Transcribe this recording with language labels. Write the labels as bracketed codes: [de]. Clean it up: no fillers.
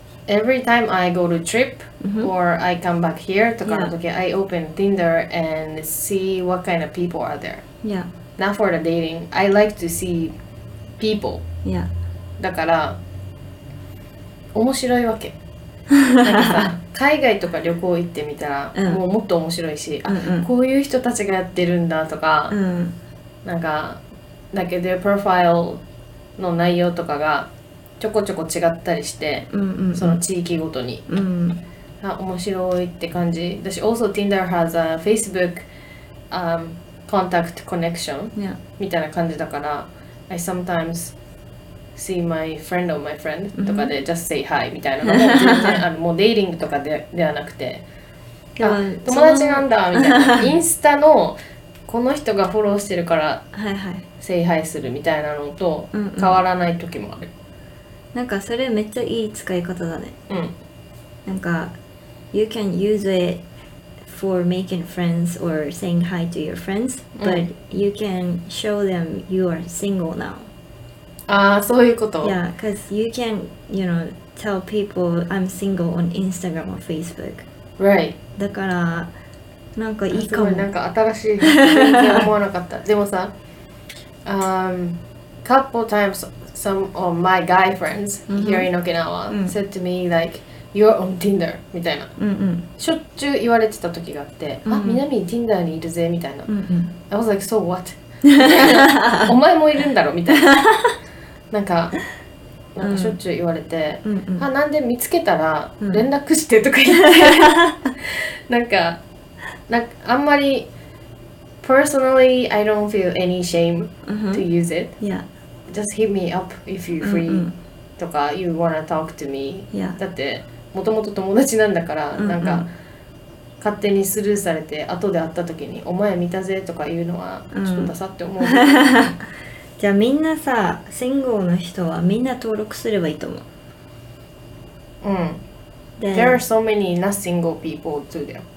[en] Every time I go to trip or I come back here [ja] とかの時、 [en] yeah. I open Tinder and see what kind of people are there Yeah Not for the dating, I like to see people Yeah [ja] だから面白いわけなんかさ、海外とか旅行行ってみたら、うん、もうもっと面白いし、うんうん、あ、こういう人たちがやってるんだとか、うん、なんか、だけど [en] their profile [ja] の内容とかがちょこちょこ違ったりして、うんうんうん、その地域ごとに、うん、あ面白いって感じ。だし、 [en] also Tinder has a Facebook、contact connection、 yeah. [ja] みたいな感じだから、 [en] I sometimes see my friend [ja] or my friend とかで、mm-hmm. [en] just say hi [ja] みたいなのも全然あのもうデイリングとかで、ではなくて、あ友達なんだみたいな。インスタのこの人がフォローしてるから、はいはい。聖杯するみたいなのと変わらない時もある、うんうん、なんかそれめっちゃいい使い方だねうん [en] なんか You can use it for making friends or saying hi to your friends、うん、but you can show them you are single now [ja] ああそういうこと [en] Yeah, cause you can, you know, tell people I'm single on Instagram or Facebook Right [ja] だからなんかいいかもすごいなんか新しい全然思わなかったでもさ [en] Couple times some of my guy friends、 [ja] mm-hmm. [en] here in Okinawa、 [ja] mm-hmm. [en] said to me like You're on Tinder [ja] みたいな、うんうん、しょっちゅう言われてた時があって、うんうん、あ、南 Tinder にいるぜみたいな、うんうん、 [en] I was like, so what? [ja] お前もいるんだろみたいな、なんかしょっちゅう言われて、うんうん、あ、なんで見つけたら連絡してとか言って、なんかあんまり [en] personally I don't feel any shame to use it、 yeah. just hit me up if you free、うんうん、とか you wanna talk to me、 yeah. [ja] だってもともと友達なんだから、うんうん、なんか勝手にスルーされて後で会った時にお前見たぜとか言うのはちょっとダサって思う、うん、じゃあみんなさ、シングルの人はみんな登録すればいいと思う。うん。 [en] Then, there are so many not single people too there.